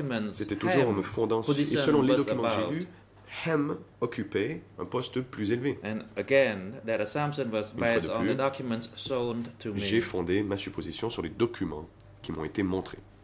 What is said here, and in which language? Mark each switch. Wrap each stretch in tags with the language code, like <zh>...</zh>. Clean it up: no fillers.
<fr>C'était toujours en me fondant et selon les documents que j'ai lus, Hem occupait un poste plus élevé.</fr> <en>And again, that assumption was based on the documents shown to me.</en> <fr>J'ai fondé ma supposition sur les documents qui m'ont été montrés.</fr>